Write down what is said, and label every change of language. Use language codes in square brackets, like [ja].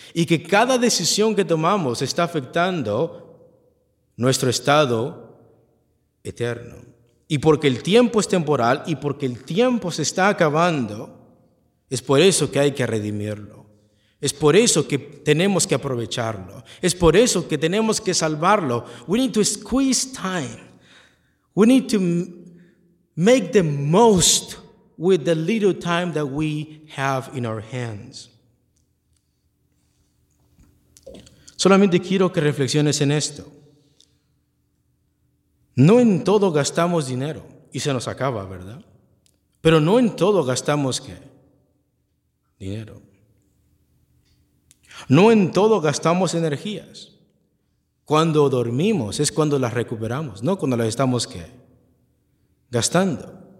[es] Y que cada decisión que tomamos está afectando nuestro estado eterno. Y porque el tiempo es temporal y porque el tiempo se está acabando, es por eso que hay que redimirlo. Es por eso que tenemos que aprovecharlo. Es por eso que tenemos que salvarlo. [en] We need to squeeze time. We need to make the most with the little time that we have in our hands. [es] Solamente quiero que reflexiones en esto. No en todo gastamos dinero y se nos acaba, ¿verdad? Pero no en todo gastamos ¿qué? Dinero. No en todo gastamos energías. Cuando dormimos es cuando las recuperamos, no cuando las estamos ¿qué? Gastando.